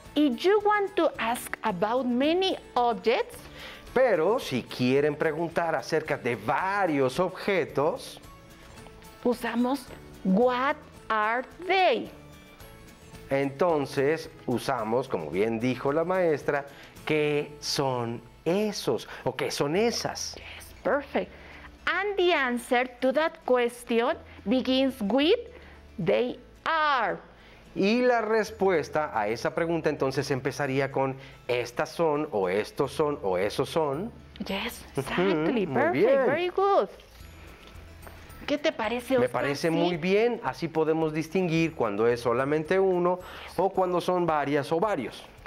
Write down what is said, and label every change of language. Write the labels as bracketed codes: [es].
[en] If you want to ask about many objects, [es] pero si quieren preguntar acerca de varios objetos, usamos [en] what are they. [es] Entonces usamos, como bien dijo la maestra, ¿qué son esos o qué son esas? [en] Yes, perfect. And the answer to that question begins with they are. [es] Y la respuesta a esa pregunta entonces empezaría con estas son, o estos son, o esos son. [en] Yes, exactly, perfect, very good. [es] ¿Qué te parece, [en] Oscar? [es] Me parece muy bien, así podemos distinguir cuando es solamente uno o cuando son varias o varios.